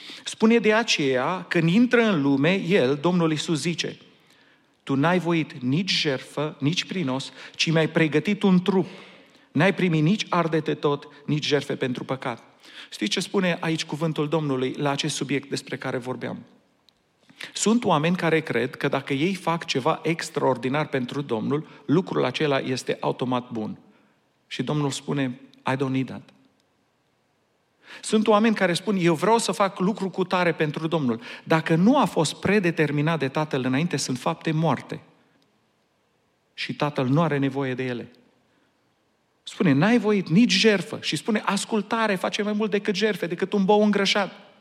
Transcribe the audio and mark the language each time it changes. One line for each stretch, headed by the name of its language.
Romanian: Spune de aceea, când intră în lume, El, Domnul Iisus, zice, tu n-ai voit nici jertfă, nici prinos, ci mi-ai pregătit un trup. N-ai primit nici ardete tot, nici jertfe pentru păcat. Știți ce spune aici cuvântul Domnului la acest subiect despre care vorbeam? Sunt oameni care cred că dacă ei fac ceva extraordinar pentru Domnul, lucrul acela este automat bun. Și Domnul spune,
English: I don't need that.
Romanian: Sunt oameni care spun, eu vreau să fac lucru cu tare pentru Domnul. Dacă nu a fost predeterminat de Tatăl înainte, sunt fapte moarte. Și Tatăl nu are nevoie de ele. Spune, n-ai voit nici jertfă. Și spune, ascultare face mai mult decât jertfe, decât un bou îngrășat.